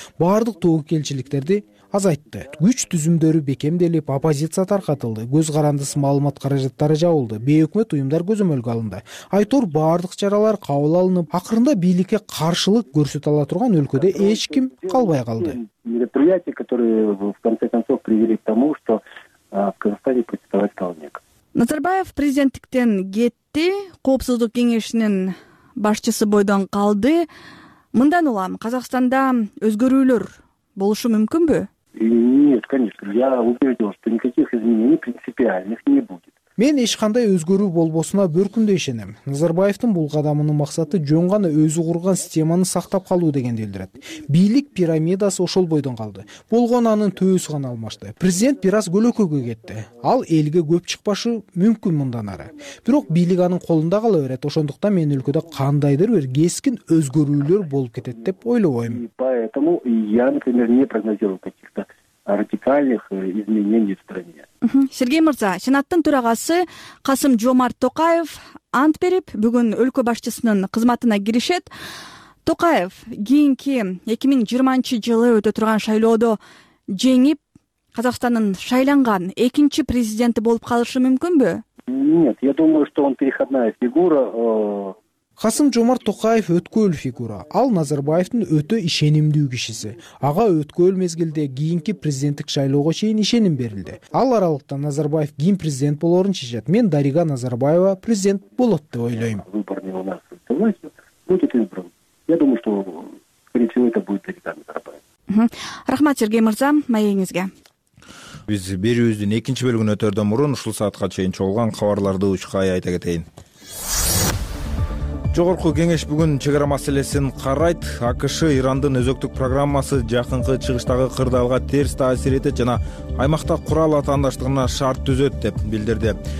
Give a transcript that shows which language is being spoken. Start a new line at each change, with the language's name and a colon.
Kyrgyz: Баардык тобокелчиликтерди азайтты. Күч түзүмдөрү бекемделип, оппозиция таркатылды, көз карандысы маалымат каражаттары жабылды, бейөкмөт уюмдар көзөмөлгө алынды. Айтор баардык чаралар кабыл алынып, акырында бийликке каршылык көрсөтө ала турган өлкөдө эч ким калбай калды.
Russian: Мероприятия, которые в конце концов привели к тому, что в Казахстане протестовать стал нек.
Kyrgyz: Назарбаев президенттиктен кетти, коопсуздук кеңешинин башчысы бойдон калды. Мындан улам Казахстанда өзгөрүүлөр болушу мүмкүнбү?
Russian: Нет, конечно. Я убежден, что никаких изменений принципиальных не будет.
Kyrgyz: Мен эч кандай өзгөрүү болбосуна бөркүндө ишенем. Назарбаевдин бул кадамынын максаты жөн гана өзү курган системаны сактап калуу дегенди билдирет. Бийлик пирамидасы ошол бойдон калды. Болгон анын төбөсү гана алмашты. Президент бир аз көлөкөгө кетти. Ал элге көп чыкпашы мүмкүн мындан ары. Бирок бийлик анын колунда кала берет. Ошондуктан мен өлкөдө кандайдыр бир кескин өзгөрүүлөр болуп кетет деп ойлобойм.
Russian: Поэтому я, например, не прогнозирую каких-то радикальных изменений в стране.
Kyrgyz: Сергей Мырза, Сенаттын төрагасы Касым Жомарт Токаев ант берип, бүгүн өлкө башчысынын кызматына киришет. Токаев кийинки 2020 жылы өтө турган шайлоодо жеңип, Казакстандын шайланган экинчи президенти болуп калышы мүмкүнбү?
Russian: Нет, я думаю, что он переходная фигура.
Kyrgyz: Касым Жомарт Токаев өткөл фигура. Ал Назарбаевдин өтө ишенимдүү кишиси. Ага өткөл мезгилде кийинки президенттик шайлоого чейин ишеним берилди. Ал аралыкта Назарбаев ким президент болорун чечет. Мен Дарига Назарбаева президент болот деп ойлойм.
Russian: Выборный у нас власть будет избран. Я думаю, что скорее всего это будет Дарига Назарбаева.
Kyrgyz: Рахмат Сергей Мырза, маегиңизге. Биз берүүбүздүн экинчи бөлүгүн өтөрдөн мурун ушул саатка чейин чогулган кабарларды учкай айта кетейин. Жогорку кеңеш бүгүн чек ара маселесин карайт. АКШ Ирандын өзөктүк программасы жакынкы чыгыштагы кырдаалга терс таасир этет жана аймакта курал атаандаштыгына шарт түзөт деп билдирди.